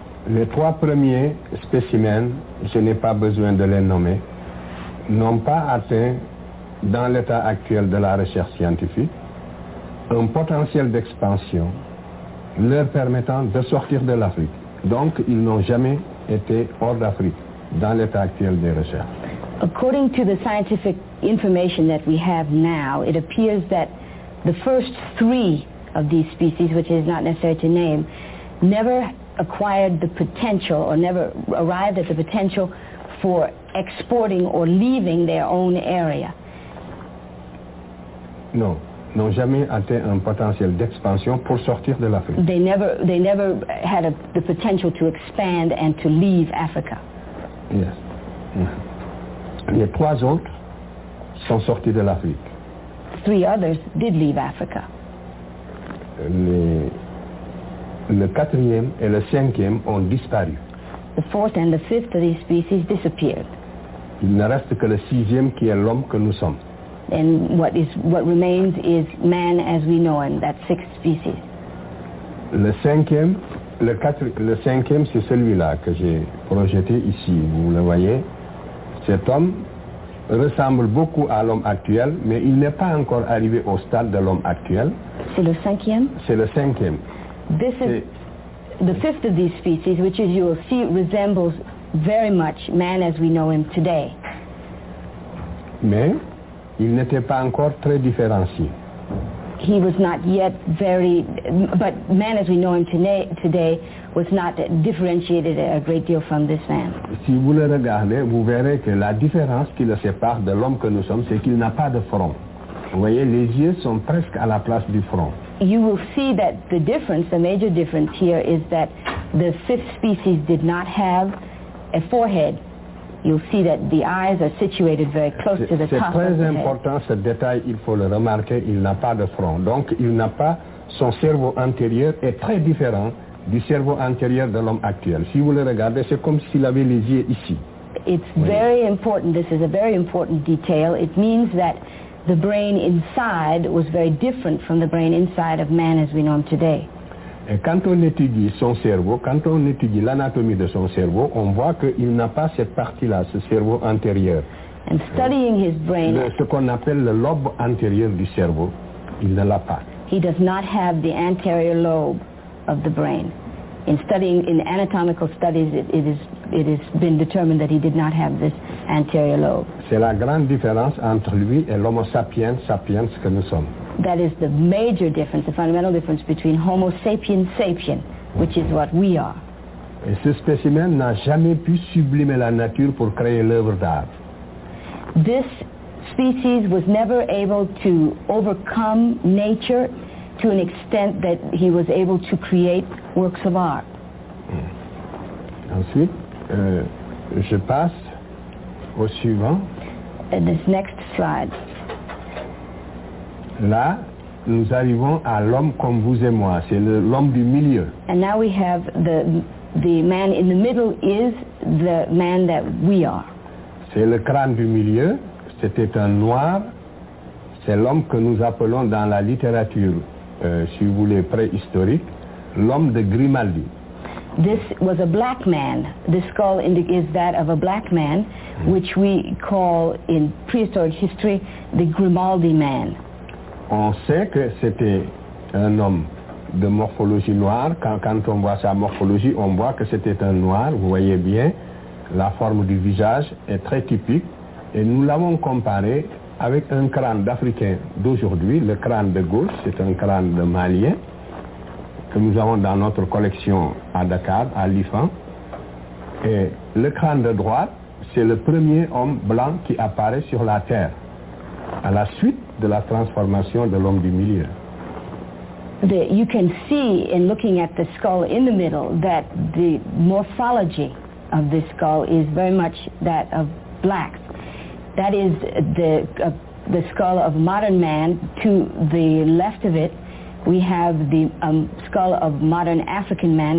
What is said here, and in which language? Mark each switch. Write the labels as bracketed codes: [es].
[fr] Les 3 premiers spécimens, je n'ai pas besoin de les nommer, n'ont pas atteint, dans l'état actuel de la recherche scientifique, un potentiel d'expansion leur permettant de sortir de l'Afrique. Donc, ils n'ont jamais été hors d'Afrique dans l'état actuel des recherches. [en] According to the scientific information that we have now, it appears that the first 3 of these species, which is not necessary to name, never acquired the potential or never arrived at the potential for exporting or leaving their own area. No. [fr] N'ont jamais atteint un potentiel d'expansion pour sortir de l'Afrique. [en] They never had the potential to expand and to leave Africa. Yes. [fr] Les 3 autres sont sortis de l'Afrique. [en] 3 others did leave Africa. [fr] Le 4e et le 5e ont disparu. [en] The 4th and the 5th of these species disappeared. [fr] Il ne reste que le 6e qui est l'homme que nous sommes. [en] And what remains is man as we know him, that 6th species. [fr] Le cinquième, c'est celui-là que j'ai projeté ici, vous le voyez. Cet homme ressemble beaucoup à l'homme actuel, mais il n'est pas encore arrivé au stade de l'homme actuel. C'est le cinquième? C'est le cinquième. [en] This is the 5th of these species, which as you will see, resembles very much man as we know him today. [fr] Mais il n'était pas encore très différencié. [en] He was not yet very, but man as we know him today was not differentiated a great deal from this man. [fr] Si vous le regardez, vous verrez que la différence qui le sépare de l'homme que nous sommes, c'est qu'il n'a pas de front. Vous voyez, les yeux sont presque à la place du front. [en] You will see that the difference, the major difference here, is that the 5th species did not have a forehead. You'll see that the eyes are situated very close to the top of the head. [fr] C'est très important, ce détail, il faut le remarquer, il n'a pas de front. Donc, il n'a pas, son cerveau antérieur est très différent du cerveau antérieur de l'homme actuel. Si vous le regardez, c'est comme s'il avait les yeux ici. [en] It's very important, this is a very important detail. It means that the brain inside was very different from the brain inside of man as we know him today. [fr] Et quand on étudie son cerveau, quand on étudie l'anatomie de son cerveau, on voit qu'il n'a pas cette partie-là, ce cerveau antérieur. [en] And studying his brain, [fr] ce qu'on appelle le lobe antérieur du cerveau, il ne l'a pas. [en] He does not have the anterior lobe of the brain. In studying, in anatomical studies, it has been determined that he did not have this anterior lobe. [fr] C'est la grande différence entre lui et l'homo sapiens sapiens que nous sommes. [en] That is the major difference, the fundamental difference between Homo sapiens sapiens, which is what we are. [fr] Et ce spécimen n'a jamais pu sublimer la nature pour créer l'œuvre d'art. [en] This species was never able to overcome nature to an extent that he was able to create works of art. [fr] Ensuite, je passe au suivant. [en] And this next slide. [fr] Là, nous arrivons à l'homme comme vous et moi. C'est l'homme du milieu. [en] And now we have the man in the middle is the man that we are. [fr] C'est le crâne du milieu. C'était un noir. C'est l'homme que nous appelons dans la littérature, si vous voulez, préhistorique, l'homme de Grimaldi. [en] This was a black man. This skull is that of a black man, which we call in prehistoric history the Grimaldi man. [fr] On sait que c'était un homme de morphologie noire. Quand on voit sa morphologie, on voit que c'était un noir. Vous voyez bien, la forme du visage est très typique. Et nous l'avons comparé avec un crâne d'Africain d'aujourd'hui, le crâne de gauche. C'est un crâne de Malien que nous avons dans notre collection à Dakar, à l'IFAN. Et le crâne de droite, c'est le premier homme blanc qui apparaît sur la Terre à la suite de la transformation de l'homme du milieu. [en] You can see in looking at the skull in the middle that the morphology of this skull is very much that of blacks. That is the skull of modern man. To the left of it, we have the skull of modern African man.